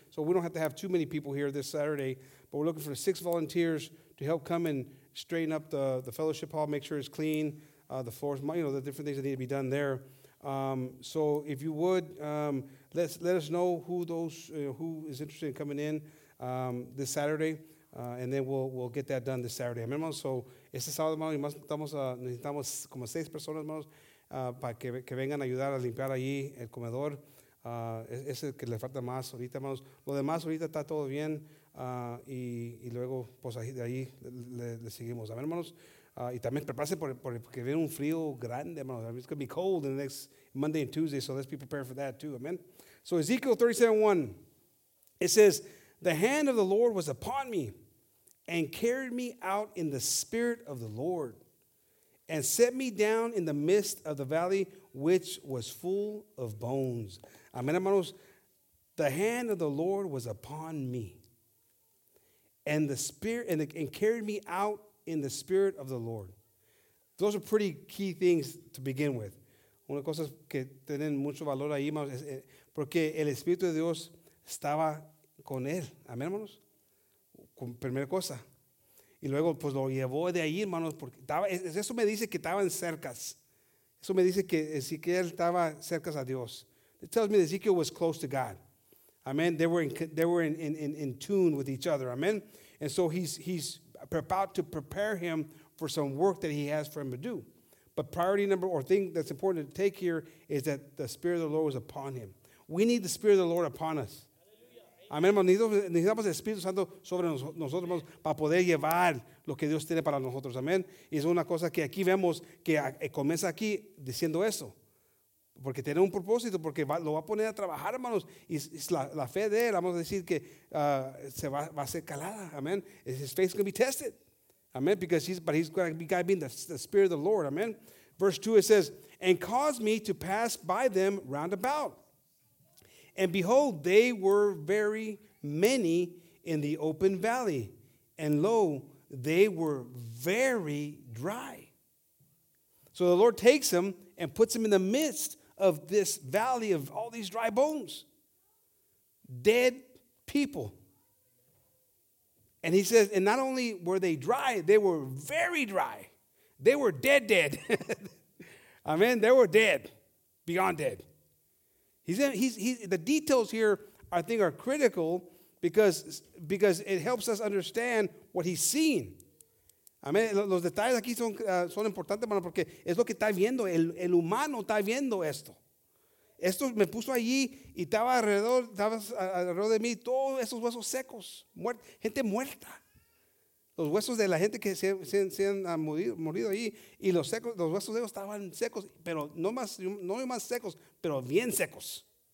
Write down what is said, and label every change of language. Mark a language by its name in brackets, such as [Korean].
[English] So we don't have to have too many people here this Saturday, but we're looking for 6 volunteers to help come and straighten up the fellowship hall, make sure it's clean, the floors, you know, the different things that need to be done there. So if you would, let us know who is interested in coming in this Saturday. And then we'll get that done this Saturday. [Spanish] Amen, hermanos. [English] So, [Spanish] este sábado, hermanos, necesitamos como 6 personas, hermanos, para que vengan a ayudar a limpiar allí el comedor. Es el que le falta más ahorita, hermanos. Lo demás ahorita está todo bien. Y luego, pues, de ahí le seguimos. Amen, hermanos. Y también prepárense porque viene un frío grande, hermanos. [English] It's going to be cold in the next Monday and Tuesday, so let's be prepared for that, too. Amen. So, Ezekiel 37:1, it says, the hand of the Lord was upon me and carried me out in the spirit of the Lord and set me down in the midst of the valley, which was full of bones. [Spanish] Amen, hermanos. [English] The hand of the Lord was upon me and the spirit and carried me out in the spirit of the Lord. Those are pretty key things to begin with. [Spanish] Una cosa que tienen mucho valor ahí, hermanos, es porque el Espíritu de Dios estaba con él. Amén, hermanos. Primera cosa. Y luego, pues lo llevó de ahí, hermanos, porque estaba, eso me dice que estaban cercas. Eso me dice que Ezequiel estaba cercas a Dios. [English] It tells me that Ezekiel was close to God. Amen. They were in tune with each other. Amen. And so he's about to prepare him for some work that he has for him to do. But priority number or thing that's important to take here is that the Spirit of the Lord is upon him. We need the Spirit of the Lord upon us. [Spanish] Amén, hermanos, necesitamos el Espíritu Santo sobre nosotros, hermanos, para poder llevar lo que Dios tiene para nosotros, amén. Y es una cosa que aquí vemos que comienza aquí diciendo eso, porque tiene un propósito, porque lo va a poner a trabajar, hermanos, y es la fe de él, vamos a decir que se va a ser calada, amén. [English] His faith is going to be tested, amén, but he's going to be guiding the Spirit of the Lord, amén. Verse 2, it says, and caused me to pass by them round about. And behold, they were very many in the open valley. And lo, they were very dry. So the Lord takes him and puts him in the midst of this valley of all these dry bones. Dead people. And he says, and not only were they dry, they were very dry. They were dead. Amen. They were dead, beyond dead. The details here, I think, are critical because it helps us understand what he's seeing. [Spanish] Amén. Los detalles aquí son importantes, hermano, porque es lo que está viendo. El humano está viendo esto. Esto me puso allí y estaba alrededor de mí todos esos huesos secos, gente muerta. Los huesos de la gente que se han morido allí y los secos, los huesos de ellos estaban secos, pero no más secos, pero bien secos.